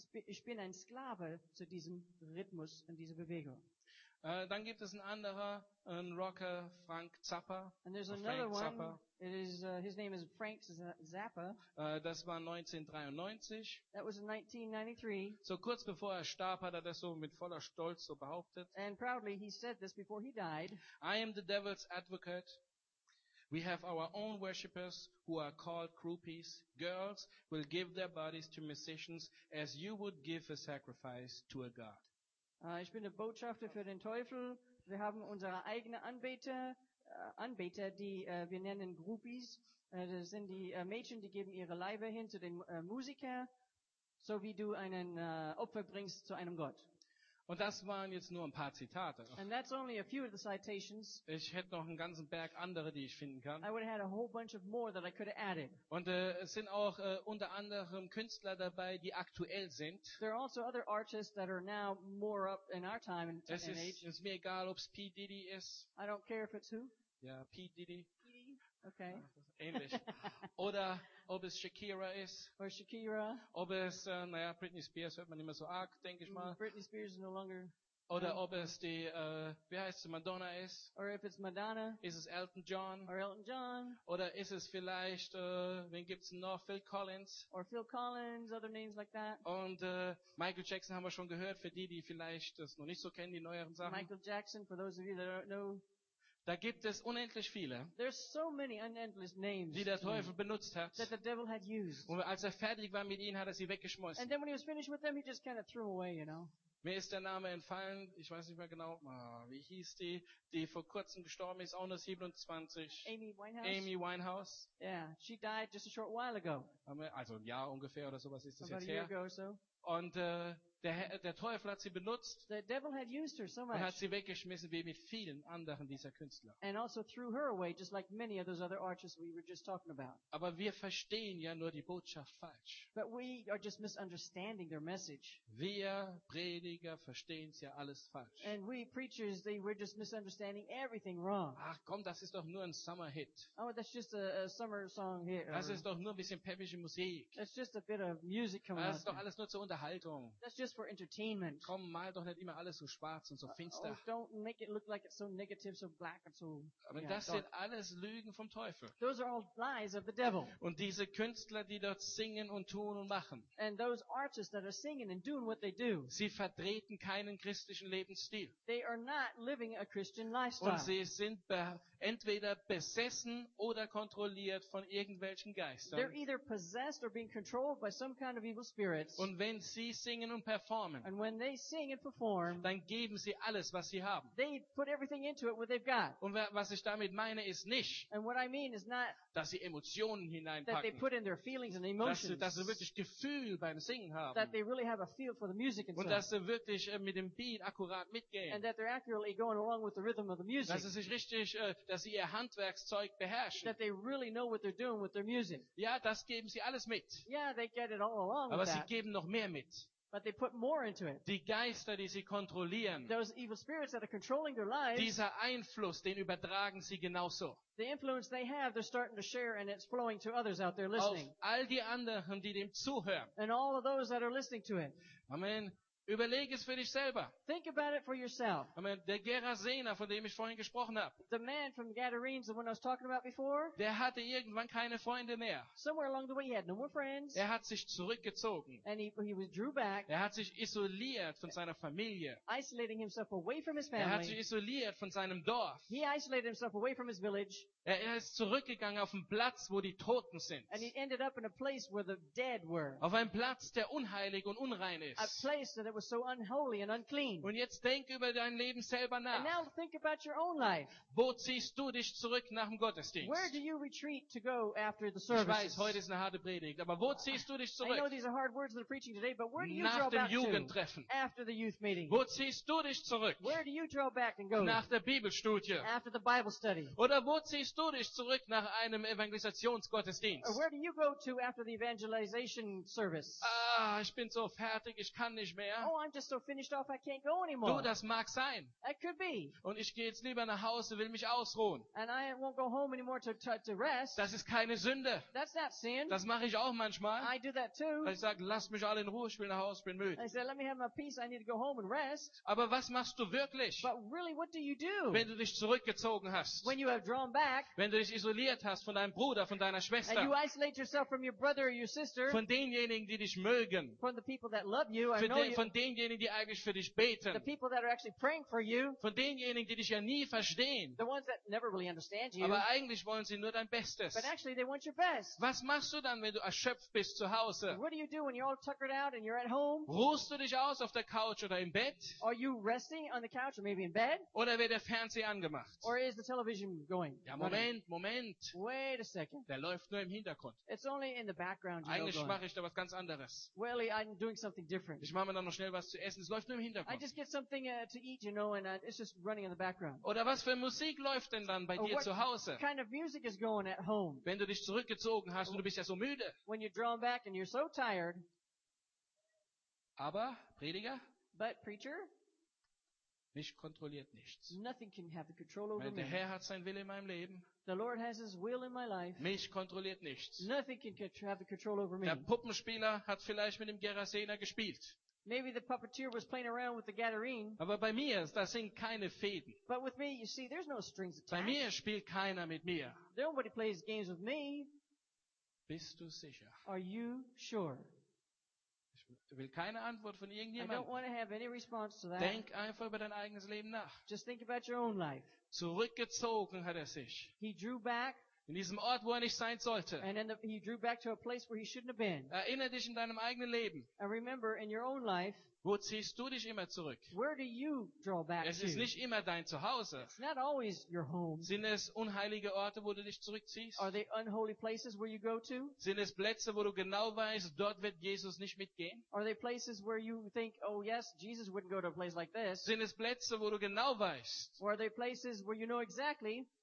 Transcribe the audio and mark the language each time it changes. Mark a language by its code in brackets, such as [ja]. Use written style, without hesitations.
[de] Ich bin ein Sklave zu diesem Rhythmus und dieser Bewegung. Dann gibt es einen anderen, einen Rocker, Frank Zappa. [en] And there's another one. Zappa. It is, his name is Frank Zappa. [de] Das war 1993. [en] That was in 1993. [de] So kurz bevor er starb, hat er das so mit voller Stolz so behauptet. [en] And proudly he said this before he died. I am the devil's advocate. We have our own worshippers who are called groupies. Girls will give their bodies to musicians as you would give a sacrifice to a god. [de] Ich bin der Botschafter für den Teufel. Wir haben unsere eigenen Anbeter, die wir nennen Groupies. Das sind die Mädchen, die geben ihre Leiber hin zu den Musiker, so wie du einen Opfer bringst zu einem Gott. Und das waren jetzt nur ein paar Zitate. [en] And that's only a few of the citations. [de] Ich hätte noch einen ganzen Berg andere, die ich finden kann. [en] I would have had a whole bunch of more that I could have added. [de] Und es sind auch unter anderem Künstler dabei, die aktuell sind. [en] There are also other artists that are now more up in our time and [de] es ist, [en] age. [de] Es ist mir egal, ob es P. Diddy ist. [en] I don't care if it's who. [de] Ja, P. Diddy. [en] P. Diddy. Okay. [de] Ähnlich. Oder ob es Shakira ist. [en] Or Shakira. [de] Ob es, naja, Britney Spears hört man nicht mehr so arg, denke ich mal. [en] Britney Spears is no longer. [de] Oder ob es die, wie heißt es, Madonna ist. [en] Or if it's Madonna. [de] Ist es Elton John. [en] Or Elton John. [de] Oder ist es vielleicht, wen gibt es noch, Phil Collins. [en] Or Phil Collins, other names like that. [de] Und Michael Jackson haben wir schon gehört, für die, die vielleicht das noch nicht so kennen, die neueren Sachen. [en] Michael Jackson, for those of you that don't know. [de] Da gibt es unendlich viele, [en] so many unendless names, [de] die der Teufel benutzt hat. [en] That the devil had used. [de] Und als er fertig war mit ihnen, hat er sie weggeschmissen. [en] And then when he was finished with them, he just kind of threw away, you know. [de] Mir ist der Name entfallen. Ich weiß nicht mehr genau, wie hieß die, die vor kurzem gestorben ist, auch nur 27. Amy Winehouse. [en] Amy Winehouse. Yeah, she died just a short while ago. [de] Also ein Jahr ungefähr oder sowas ist das [en] About [de] jetzt her. [en] A year ago or so. [de] Und der Teufel hat sie benutzt. [en] The devil had used her so much. [de] Und hat sie weggeschmissen wie mit vielen anderen dieser Künstler. [en] And also threw her away just like many of those other artists we were just talking about. [de] Aber wir verstehen ja nur die Botschaft falsch. [en] But we are just misunderstanding their message. [de] Wir Prediger verstehen es ja alles falsch. [en] And we preachers they were just misunderstanding everything wrong. [de] Ach komm, das ist doch nur ein Summer Hit. [en] Oh, that's just a summer song hit. [de] Das ist doch nur ein bisschen peppische Musik. [en] That's just a bit of music coming out. [de] Das ist doch alles nur zur Unterhaltung. [en] Just for entertainment. [de] Komm, mal doch nicht immer alles so schwarz und so finster. [en] Oh, don't make it look like it's so negative, so black and so. [de] Aber [en] yeah, [de] das [en] dark. [de] Sind alles Lügen vom Teufel. [en] Those are all lies of the devil. [de] Und diese Künstler, die dort singen und tun und machen. [en] And those artists that are singing and doing what they do. [de] Sie vertreten keinen christlichen Lebensstil. [en] They are not living a Christian lifestyle. [de] Und sie sind entweder besessen oder kontrolliert von irgendwelchen Geistern. [en] They're either possessed or being controlled by some kind of evil spirits. [de] Und wenn sie singen und performen, [en] and when they sing and perform, [de] dann geben sie alles, was sie haben. [en] They put everything into it, what they've got. [de] Und was ich damit meine, ist nicht, [en] and what I mean is not, [de] dass sie Emotionen hineinpacken, [en] that they put in their feelings and emotions, [de] dass sie wirklich Gefühl beim Singen haben, [en] that they really have a feel for the music and [de] und [en] so, [de] dass sie wirklich mit dem Beat akkurat mitgehen, [en] and that they're accurately going along with the rhythm of the music, [de] dass sie sich richtig dass sie ihr Handwerkszeug beherrschen. [en] That they really know what they're doing with their music. [de] Ja, das geben sie alles mit. [en] Yeah, they get it all along. [de] Aber [en] with [de] sie [en] that. [de] Geben noch mehr mit. [en] But they put more into it. [de] Die Geister, die sie kontrollieren. [en] Those evil spirits that are controlling their lives. [de] Dieser Einfluss, den übertragen sie genauso. [en] The influence they have, they're starting to share, and it's flowing to others out there listening. [de] Auf all die anderen, die dem zuhören. [en] And all of those that are listening to it. [de] Amen. Überlege es für dich selber. [en] Think about it for yourself. [de] Der Gerasener, von dem ich vorhin gesprochen habe, [en] the man from Gadarenes, the one I was talking about before, [de] der hatte irgendwann keine Freunde mehr. [en] Somewhere along the way he had no more friends. [de] Er hat sich zurückgezogen. [en] And he withdrew back. [de] Er hat sich isoliert von seiner Familie. [en] Isolating himself away from his family. [de] Er hat sich isoliert von seinem Dorf. [en] He isolated himself away from his village. [de] Er ist zurückgegangen auf den Platz, wo die Toten sind. [en] And he ended up in a place where the dead were. [de] Auf einen Platz, der unheilig und unrein ist. [en] A place that was so unholy and unclean. [de] Und jetzt denk über dein Leben selber nach. [en] And now think about your own life. [de] Wo ziehst du dich zurück nach dem Gottesdienst? [en] Where do you retreat to go after the services? [de] Ich weiß, heute ist eine harte Predigt, aber wo ziehst du dich zurück? [en] I know these are hard words that are preaching today, but where do you [de] Nach dem Jugendtreffen. [en] After the youth meeting. [de] Wo ziehst du dich zurück? [en] Where do you draw back and go? [de] Nach der Bibelstudie. [en] After the Bible study. [de] Oder wo ziehst du dich zurück nach einem Evangelisationsgottesdienst? [en] Or where do you go to after the evangelization service? [de] Ah, ich bin so fertig, ich kann nicht mehr. [en] Oh, I'm just so finished off, I can't go anymore. [de] Du, das mag sein. [en] That could be. [de] Und ich gehe jetzt lieber nach Hause, will mich ausruhen. [en] And I won't go home anymore to rest. [de] Das ist keine Sünde. [en] That's not sin. [de] Das mache ich auch manchmal. [en] I do that too. [de] Ich sage, lass mich alle in Ruhe, ich will nach Hause, bin müde. [en] I said, let me have my peace, I need to go home and rest. [de] Aber was machst du wirklich? [en] But really, what do you do? [de] Wenn du dich zurückgezogen hast. [en] When you have drawn back. [de] Wenn du dich isoliert hast von deinem Bruder, von deiner Schwester. [en] And you isolate yourself from your brother or your sister. [de] Von denjenigen, die dich mögen. [en] From the people that love you, I know you. [de] Von denjenigen, die eigentlich für dich beten. [en] The people that are actually praying for you. [de] Von denjenigen, die dich ja nie verstehen. [en] The ones that never really understand you. [de] Aber eigentlich wollen sie nur dein Bestes. [en] But actually they want your best. [de] Was machst du dann, wenn du erschöpft bist zu Hause? [en] What do you do when you're all tuckered out and you're at home? [de] Ruhst du dich aus auf der Couch oder im Bett? [en] Are you resting on the couch or maybe in bed? [de] Oder wird der Fernseher angemacht? [en] Or is the television going? [de] Ja, Moment, Moment. [en] Wait a second. [de] Der läuft nur im Hintergrund. [en] It's only in the background. [de] Eigentlich mache ich da was ganz anderes. [en] Well, I'm doing something different. [de] Ich mache mir dann noch schnell was zu essen. Es läuft nur im Hintergrund. [en] I just get something to eat, you know, and it's just running in the background. [de] Oder was für Musik läuft denn dann bei [en] or [de] dir zu Hause? [en] What kind of music is going at home? [de] Wenn du dich zurückgezogen hast und du bist ja so müde. [en] When you're drawn back and you're so tired. [de] Aber Prediger? [en] But preacher? [de] Mich kontrolliert nichts. [en] Nothing can have the control over me. [de] Der Herr hat sein Wille in meinem Leben. [en] The Lord has his will in my life. [de] Mich kontrolliert nichts. [en] Nothing can have the control over me. [de] Der Puppenspieler hat vielleicht mit dem Gerasener gespielt. [en] Maybe the puppeteer was playing around with the Gadarene. [de] Aber bei mir, da sind keine Fäden. [en] But with me, you see, there's no strings attached. [de] Bei mir spielt keiner mit mir. [en] Nobody plays games with me. [de] Bist du sicher? [en] Are you sure? [de] Ich will keine Antwort von irgendjemandem. [en] I don't want to have any response to that. [de] Denk einfach über dein eigenes Leben nach. [en] Just think about your own life. [de] Zurückgezogen hat er sich. [en] He drew back. [de] In diesem Ort, wo er nicht sein sollte. [en] And then he drew back to a place where he shouldn't have been. [de] Erinnere dich in deinem eigenen Leben. [en] And remember in your own life. [de] Wo ziehst du dich immer zurück? [en] Where do you draw back to? [de] Es ist nicht immer dein Zuhause. [en] It's not always your home. [de] Sind es unheilige Orte, wo du dich zurückziehst? [en] Are they unholy places where you go to? [de] Sind es Plätze, wo du genau weißt, dort wird Jesus nicht mitgehen? [en] Are they places where you think, oh yes, Jesus wouldn't go to a place like this? [de] Sind es Plätze, wo du genau weißt? [en] Or are they places where you know exactly?